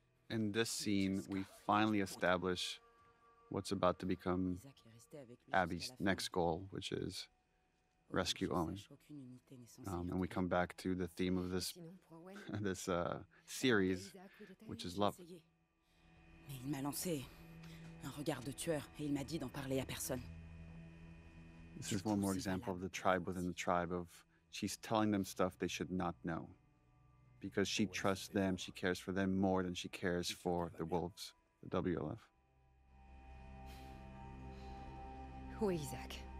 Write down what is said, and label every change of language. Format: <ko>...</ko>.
<en>In this scene, we finally establish what's about to become Abby's next goal, which is rescue Owen. And we come back to the theme of this series, which is love.</en> <fr>Mais il m'a lancé un regard de tueur et il m'a dit d'en parler à personne.</fr> <en>This is one more example of the tribe within the tribe of she's telling them stuff they should not know. Because she trusts them, she cares for them more than she cares for the wolves, the WLF. Who is Isaac?</en>